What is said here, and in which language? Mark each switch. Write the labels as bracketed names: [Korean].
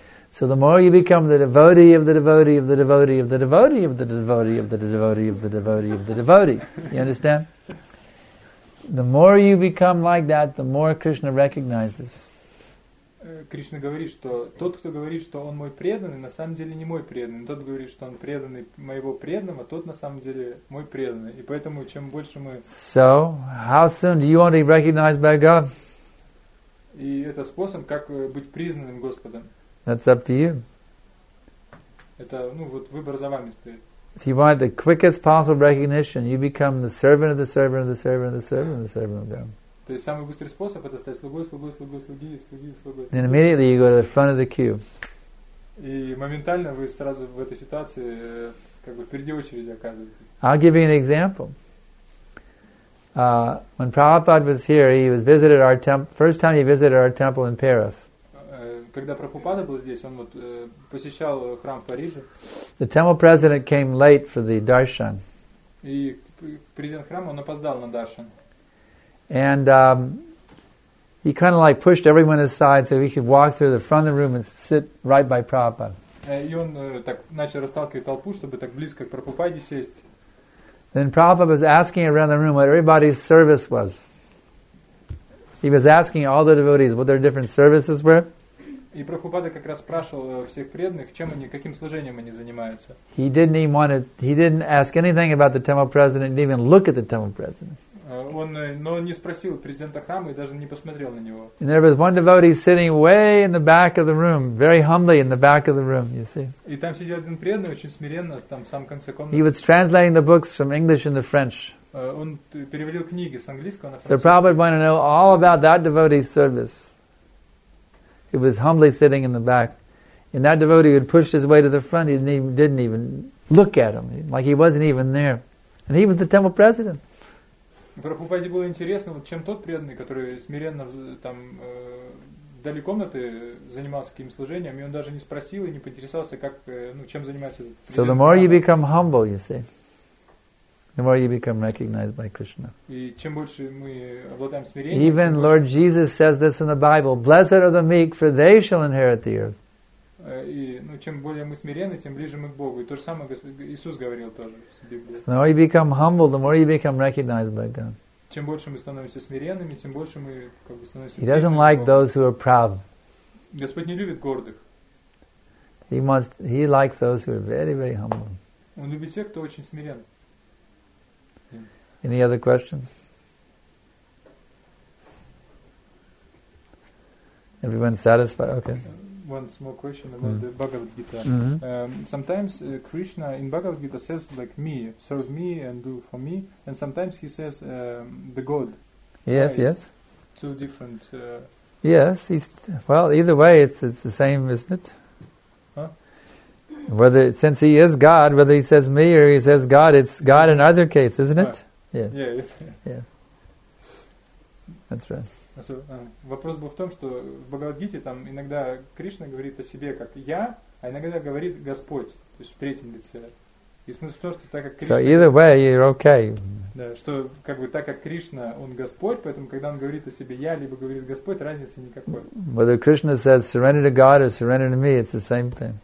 [English] So the more you become the devotee of the devotee of the devotee of the devotee of the devotee of the devotee of the devotee of the devotee, you understand? The more you become like that, the more Krishna recognizes. [Russian] Krishna говорит, что тот, кто говорит, что он мой преданный, на самом деле не мой преданный. Тот говорит, что он преданный моего преданного, тот на самом деле мой преданный. И поэтому чем больше мы. [English] So, how soon do you want to be recognized by God? [Russian] И это способ, как быть признанным Господом. [English] That's up to you. [Russian] Это, ну, вот выбор за вами стоит. [English] If you want the quickest possible recognition, you become the servant of the servant of the servant of the servant of the servant of God. [Russian] То есть самый быстрый способ это стать слугой, слугой, слугой, слуги, слуги, слугой. [English] Then immediately you go to the front of the queue. [Russian] И моментально вы сразу в этой ситуации как бы впереди очереди оказываетесь. [English] I'll give you an example. When Prabhupada was here, he was visited our temple. First time he visited our temple in Paris. [Russian] Когда Прабхупада был здесь, он вот посещал храм в Париже. [English] The temple president came late for the darshan. [Russian] И президент храма он опоздал на даршан. [English] And he kind of like pushed everyone aside so he could walk through the front of the room and sit right by Prabhupada. [Russian] И он так начал расталкивать толпу, чтобы так близко к Прабхупаде сесть. [English] Then Prabhupada was asking around the room what everybody's service was. He was asking all the devotees what their different services were. [Russian] И Прабхупада как раз спрашивал всех преданных, чем они, каким служением они занимаются. [English] He didn't even want to, he didn't ask anything about the temple president, didn't even look at the temple president. [Russian] Но он не спросил президента храма и даже не посмотрел на него. [English] And there was one devotee sitting way in the back of the room, very humbly in the back of the room, you see. [Russian] И там сидел один преданный, очень смиренно, там в самом конце комнаты. [English] He was translating the books from English into French. [Russian] Он переводил книги с английского на французский. [English] So Prabhupada wanted to know all about that devotee's service. He was humbly sitting in the back. And that devotee had pushed his way to the front. He didn't even look at him. Like he wasn't even there. And he was the temple president. [Russian] Прабхупаде было интересно, вот чем тот преданный, который смиренно там вдали комнаты занимался каким служением, и он даже не спросил и не поинтересовался, как, ну, чем занимается этот президент. [English] So the more you become humble, you see, the more you become recognized by Krishna. [Russian] И чем больше мы обладаем смирением. [English] Even Lord Jesus says this in the Bible: "Blessed are the meek, for they shall inherit the earth." [Russian] И, ну, чем более мы смиренны, тем ближе мы к Богу. И то же самое Иисус говорил тоже в Библии. [English] The more you become humble, the more you become recognized by God. [Russian] Чем больше мы становимся смиренными, тем больше мы как бы становимся. [English] He doesn't like those who are proud. [Russian] Господь не любит гордых. [English] He likes those who are very, very humble. [Russian] Он любит тех, кто очень смирен. [English] Any other questions? Everyone satisfied? Okay. One small question about the Bhagavad Gita. Mm-hmm. Sometimes Krishna in Bhagavad Gita says, like, me, serve me and do for me. And sometimes he says, the God. Yes, yes. Two different. Yes, he's. Well, either way, it's the same, isn't it? Huh? Whether, since he is God, whether he says me or he says God, it's God in either case, isn't it? Yeah. Yeah. That's right. [Russian] Вопрос был в том, что в Бхагавад-гите там иногда Кришна говорит о себе как я, а иногда говорит Господь, то есть в третьем лице. И смысл в том, что так как Кришна. [English] So either way, you're okay. [Russian] Да, что как бы так как Кришна, он Господь, поэтому когда он говорит о себе я, либо говорит Господь, разницы никакой. [English] Whether Krishna says surrender to God or surrender to me, it's the same thing.